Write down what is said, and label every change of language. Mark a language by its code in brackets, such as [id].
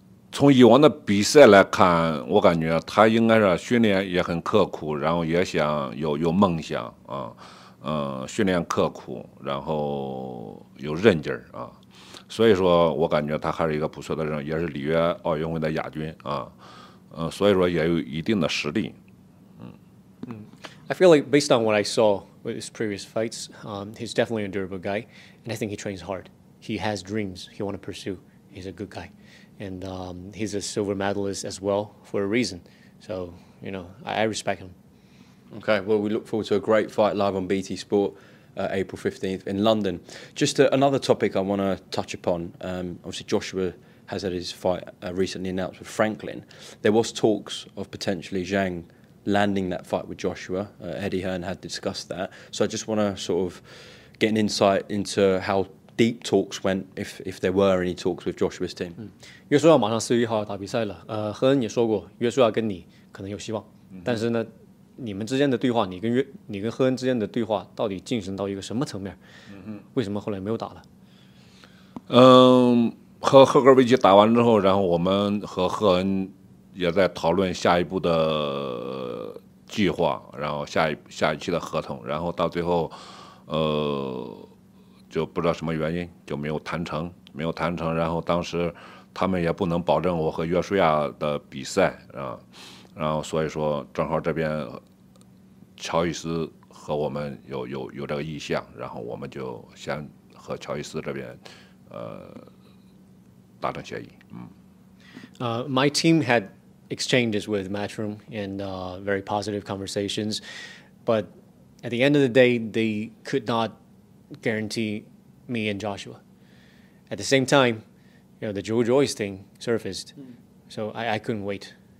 [zh] 从以往的比赛来看，我感觉他应该是训练也很刻苦，然后也想有梦想啊。训练刻苦，然后有韧劲儿啊，所以说我感觉他还是一个不错的人，也是里约奥运会的亚军啊，所以说也有一定的实力。 [en] I feel like based on what I saw with his previous fights, he's definitely a durable guy, and I think he trains hard. He has dreams he want to pursue. He's a good guy, and he's a silver medalist as well for a reason. So you know, I respect him. Okay, well, we look forward to a great fight live on BT Sport April 15th in London. Just another topic I want to touch upon. Obviously, Joshua has had his fight recently announced with Franklin. There was talks of potentially Zhang landing that fight with Joshua. Eddie Hearn had discussed that. So I just want to sort of get an insight into how deep talks went, if there were any talks with Joshua's team. [zh] Joshua 马上4月1号打比赛了。何恩也说过 ,Joshua 跟你可能有希望。但是呢你们之间的对话，你跟赫恩之间的对话到底进行到一个什么层面？为什么后来没有打了？和赫格维奇打完之后，然后我们和赫恩也在讨论下一步的计划，然后下一期的合同，然后到最后，就不知道什么原因就没有谈成，然后当时他们也不能保证我和约书亚的比赛啊。然后所以说正好这边乔伊斯和我们有这个意向，然后我们就先和乔伊斯这边达成协议。 [en] My team had exchanges with Matchroom and very positive conversations, but at the end of the day, they could not guarantee me and Joshua. At the same time, you know, the Joe Joyce thing surfaced, so I couldn't wait.